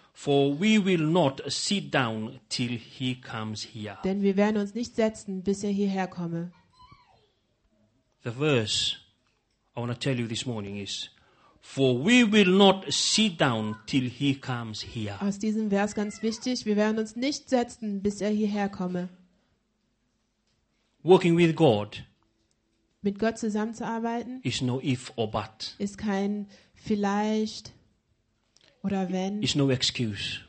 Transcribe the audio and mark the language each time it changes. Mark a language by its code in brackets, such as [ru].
[en] For we will not sit down till he comes here. [de] Denn wir werden uns nicht setzen, bis er hierher komme. [en] The verse I want to tell you this morning is, for we will not sit down till he comes here. [de] Aus diesem Vers ganz wichtig, wir werden uns nicht setzen, bis er hierher komme. [en] Working with God, [de] mit Gott zusammenzuarbeiten, [en] is no if or but. [de] Ist kein vielleicht. Oder wenn, [en] is no excuse.